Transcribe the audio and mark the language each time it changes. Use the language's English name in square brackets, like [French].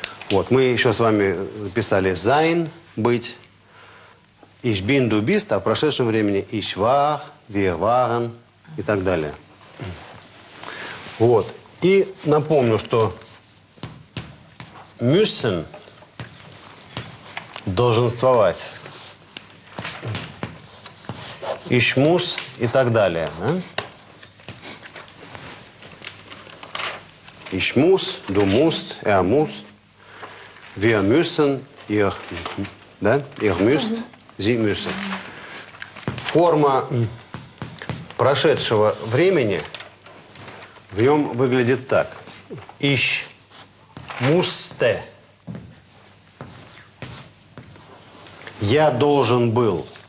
[Russian] Вот, мы еще с вами писали sein, быть, [German] ich bin, du bist, [Russian] а в прошедшем времени [German] ich war, wir waren [Russian] и так далее. Вот. И напомню, что müssen долженствовать, [German] ich muss [Russian] и так далее. Да? [German] Ich muss, du musst, muss, wir müssen, ihr müsst, sie müssen. [Russian] Форма прошедшего времени в нем выглядит так. [German] Ich musste. [Russian] Я должен был.